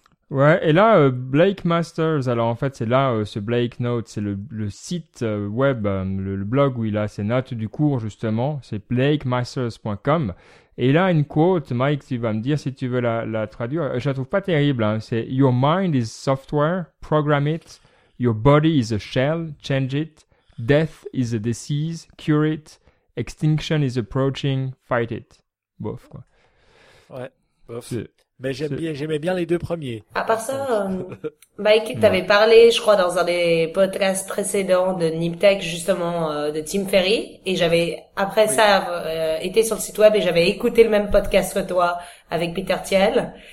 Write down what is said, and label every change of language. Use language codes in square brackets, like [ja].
[fr] Ouais, et là, Blake Masters, alors en fait, c'est là, ce Blake Notes, c'est le site web, le blog où il a ses notes du cours, justement, c'est blakemasters.com. Et là, une quote, Mike, tu vas me dire si tu veux la traduire. Je la trouve pas terrible, hein. C'est [en] « Your mind is software, program it. Your body is a shell, change it. Death is a disease, cure it. Extinction is approaching, fight it. » [fr] Bof, quoi. Ouais, bof. Mais j'aimais bien les deux premiers. À part ça, Mike, t'avais parlé, je crois, dans un des podcasts précédents de Niptech, justement, de Tim Ferry. Et j'avais, après ça, été sur le site web et j'avais écouté le même podcast que toi avec Peter Thiel.